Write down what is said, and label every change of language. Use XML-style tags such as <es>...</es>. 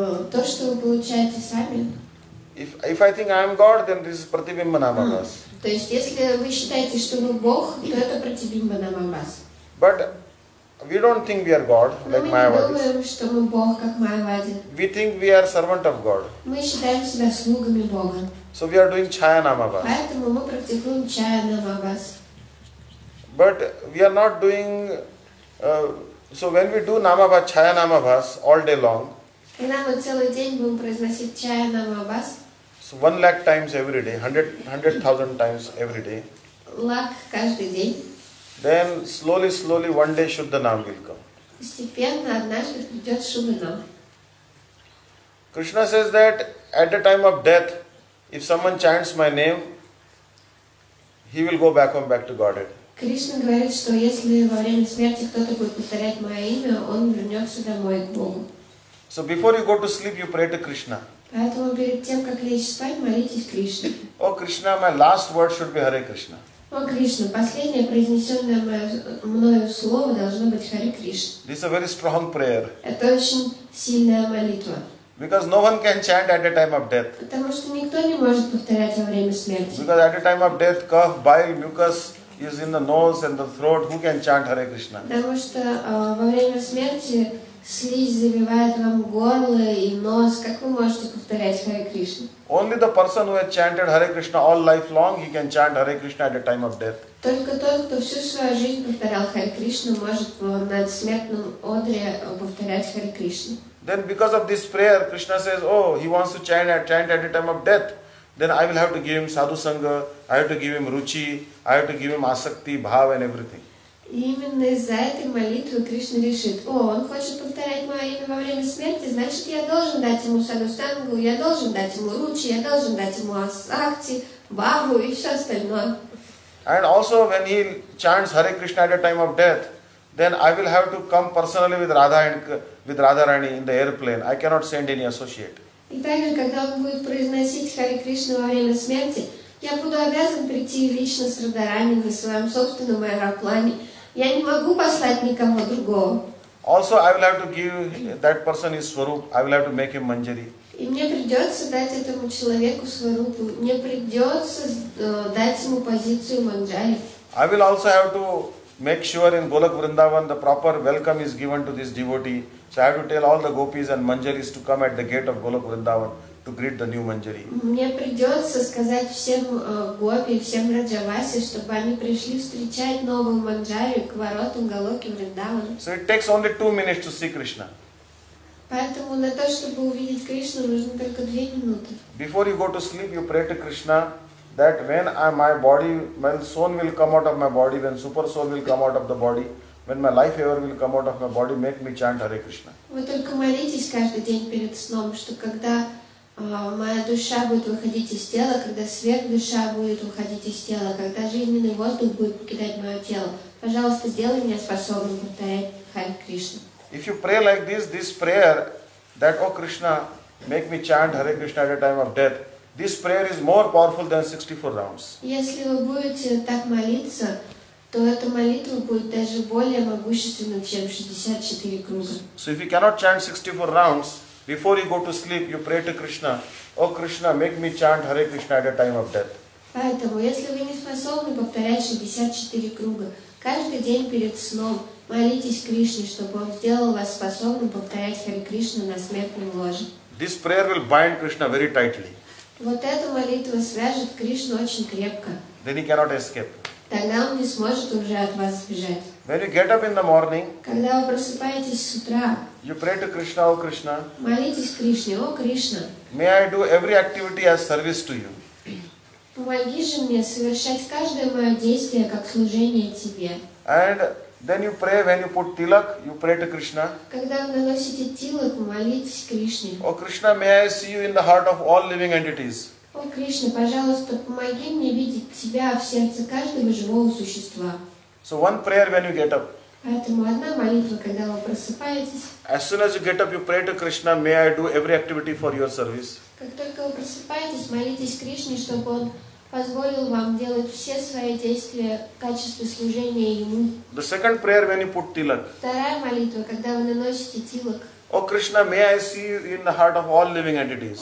<ru>То, что вы получаете сами.</ru> <en>If I think I am God, then this is Pratibimba Namabhas.</en> <ru>То есть, если вы считаете, что вы Бог, то это Pratibimba Namabhas.</ru> <en>But we don't think we are God,</en> <ru>но</ru> <en>like Mayavadis.</en> <ru>Мы не думаем, что мы Бог, как Mayavadis.</ru> <en>We think we are servant of God.</en> <ru>Мы считаем себя слугами Бога.</ru> <en>So we are doing Chaya Namabhas.</en> <ru>Поэтому мы практикуем Chaya Namabhas.</ru> <en>But we are not doing... So when we do Namabhas, Chaya Namabhas, all day long,</en> <ru>когда мы целый день будем произносить Chaya Namabhas,</ru> <en>so 1 lakh times every day, 100,000 times every day,</en> <ru>lakh каждый день,</ru> <en>then slowly, slowly, one day Shuddha Nam will come.</en> <ru>Постепенно однажды придет Шуддха Нам.</ru> <en>Krishna says that at the time of death, if someone chants my name, he will go back home, back to Godhead.</en> <ru>Кришна говорит, что если во время смерти кто-то будет повторять мое имя, он вернется домой к Богу.</ru> <en>So before you go to sleep, you pray to Krishna.</en> <ru>Поэтому перед тем, как лечь спать, молитесь Кришне.</ru> <en>О, Кришна, my last word should be Hare Krishna.</en> <ru>О, Кришна, последнее произнесенное мною слово должно быть Харе Кришна.</ru> <en>This is a very strong prayer.</en> <ru>Это очень сильная молитва.</ru> <en>Because no one can chant at the time of death.</en> <ru>Потому что никто не может повторять во время смерти.</ru> <en>Because at the time of death, cough, bile, mucus is in the nose and the throat. Who can chant Hare Krishna?</en> <ru>Потому что во время смерти Слизь забивает вам горло и нос. Как вы можете повторять Харе Кришна?</ru> <en>Only the person who has chanted Hare Krishna all life long, he can chant Hare Krishna at the time of death.</en> <ru>Только тот, кто всю свою жизнь повторял Харе Кришну, может в надсмертном одре повторять Харе Кришну.</ru> <en>Then because of this prayer, Krishna says, oh, he wants to chant at the time of death. Then I will have to give him sadhu sangha, I have to give him ruchi, I have to give him asakti, bhav and everything.</en> <ru>Именно из-за этой молитвы Кришна решит, о, он хочет повторять мое имя во время смерти, значит, я должен дать ему саду сангу, я должен дать ему ручи, я должен дать ему асакти, бхаву и все остальное.</ru> <en>And also when he chants Hare Krishna at the time of death, then I will have to come personally with Radha and with Radharani in the airplane. I cannot send any associate.</en> <ru>И также, когда он будет произносить Hare Krishna во время смерти, я буду обязан прийти лично с Радхарани на своем собственном аэроплане. Я не могу послать никого другого.</ru> <en>Also, I will have to give that person his swarup. I will have to make him manjari.</en> <ru>И мне придется дать этому человеку сварупу. Мне придется дать ему позицию манджари.</ru> <en>I will also have to make sure in Golak Vrindavan the proper welcome is given to this devotee. So I have to tell all the gopis and manjaris to come at the gate of Golak Vrindavan to greet the new manjari.</en> <ru>Мне придется сказать всем гопи, всем раджаваси, чтобы они пришли встречать новую манджари к воротам Голоки Вриндаван.</ru> <en>So it takes only 2 minutes to see Krishna.</en> <ru>Поэтому на то, чтобы увидеть Кришну, нужно только 2 минуты.</ru> <en>Before you go to sleep, you pray to Krishna that when my body, when soul will come out of my body, when super soul will come out of the body, when my life ever will come out of my body, make me chant Hare Krishna.</en> <ru>Вы только молитесь каждый день перед сном, что когда моя душа будет выходить из тела, когда сверхдуша будет выходить из тела, когда жизненный воздух будет покидать мое тело, пожалуйста, сделай меня способным повторять Харе Кришна.</ru> <en>If you pray like this, this prayer that, oh Krishna, make me chant Hare Krishna at the time of death, this prayer is more powerful than 64 rounds.</en> <ru>Если вы будете так молиться, то эта молитва будет даже более могущественной, чем 64 круга.</ru> <en>So if you cannot chant 64 rounds, before you go to sleep, you pray to Krishna, oh Krishna, make me chant Hare Krishna at the time of death.</en> <ru>Поэтому, если вы не способны повторять 64 круга, каждый день перед сном молитесь Кришне, чтобы он сделал вас способным повторять Харе Кришну на смертном ложе.</ru> <en>This prayer will bind Krishna very tightly.</en> <ru>Вот эта молитва свяжет Кришну очень крепко.</ru> <en>Then he cannot escape.</en> <ru>Тогда он не сможет уже от вас сбежать.</ru> <en>When you get up in the morning,</en> <ru>когда вы просыпаетесь с утра,</ru> <en>you pray to Krishna, O Krishna.</en> <ru>Молитесь Кришне, О Кришна.</ru> <en>May I do every activity as service to you.</en> <ru>Помоги же мне совершать каждое мое действие как служение тебе.</ru> <en>And then you pray, when you put tilak, you pray to Krishna.</en> <ru>Когда вы наносите тилак, молитесь Кришне.</ru> <en>О Кришна, may I see you in the heart of all living entities.</en> <ru>О Кришна, пожалуйста, помоги мне видеть тебя в сердце каждого живого существа.</ru> <en>So one prayer when you get up.</en> <ru>Поэтому одна молитва, когда вы просыпаетесь.</ru> <en>As soon as you get up, you pray to Krishna, may I do every activity for your service.</en> <ru>Как только вы просыпаетесь, молитесь Кришне, чтобы он позволил вам делать все свои действия в качестве служения ему.</ru> <en>The second prayer when you put tilak.</en> <ru>Вторая молитва, когда вы наносите тилак.</ru> <en>О Кришна, may I see you in the heart of all living entities.</en>